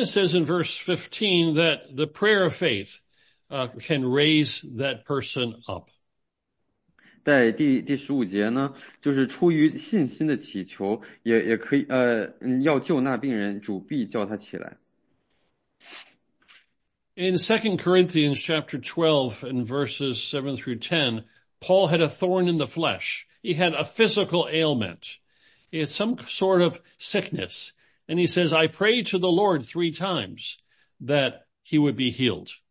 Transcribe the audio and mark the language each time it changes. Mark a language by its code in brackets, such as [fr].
[en] it says in verse 15 that the prayer of faith can raise that person up. [zh] 在第十五节呢，就是出于信心的祈求，也可以要救那病人，主必叫他起来。 [en] In 2 Corinthians chapter 12 and verses 7 through 10, Paul had a thorn in the flesh. He had a physical ailment. He had some sort of sickness. And he says, I prayed to the Lord 3 times that he would be healed.